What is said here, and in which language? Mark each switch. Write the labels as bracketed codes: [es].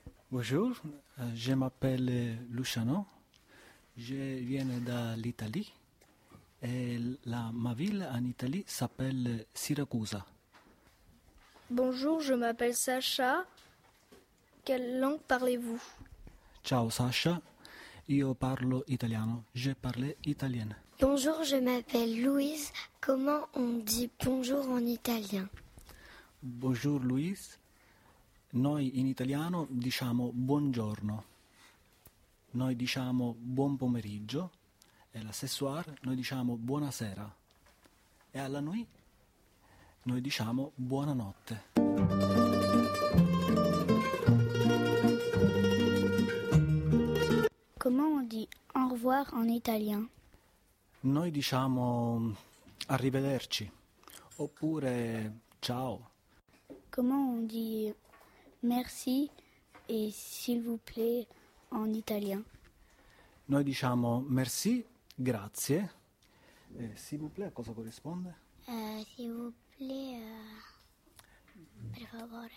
[fr] Bonjour, je m'appelle Luciano. Je viens de l'Italie. Et ma ville en Italie s'appelle Siracusa. Bonjour, je m'appelle Sacha. Quelle langue parlez-vous? [it] Ciao Sacha, io parlo italiano. [fr] Je parle italien. Bonjour, je m'appelle Louise. Comment on dit bonjour en italien? Bonjour Louise. [it] Noi in italiano diciamo buongiorno. Noi diciamo buon pomeriggio. E la sessuar, noi diciamo buonasera. E alla nuit, noi diciamo buonanotte. [fr] Comment on dit au revoir en italien? [it] Noi diciamo arrivederci. Oppure ciao. [fr] Comment on dit merci et s'il vous plaît en italien? [it] Noi diciamo merci. Grazie. [fr] S'il vous plaît, [it] a cosa corrisponde? [fr] S'il vous plaît, [it] per favore.